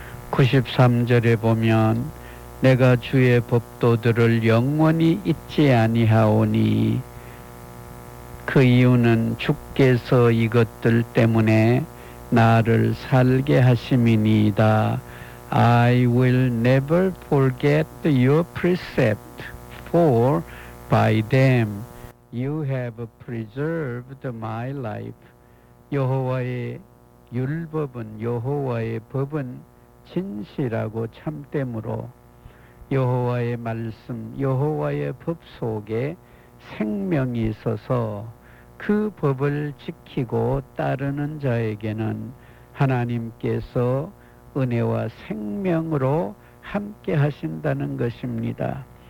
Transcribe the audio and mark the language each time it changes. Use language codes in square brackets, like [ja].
[ko] 93절에 보면 내가 주의 법도들을 영원히 잊지 아니하오니 그 이유는 주께서 이것들 때문에 나를 살게 하심이니이다. [en] I will never forget your precept, for by them you have preserved my life. [ko] 여호와의 율법은 여호와의 법은 진실하고 참됨으로 여호와의 말씀, 여호와의 법 속에 생명이 있어서 그 법을 지키고 따르는 자에게는 하나님께서 은혜와 생명으로 함께 하신다는 것입니다.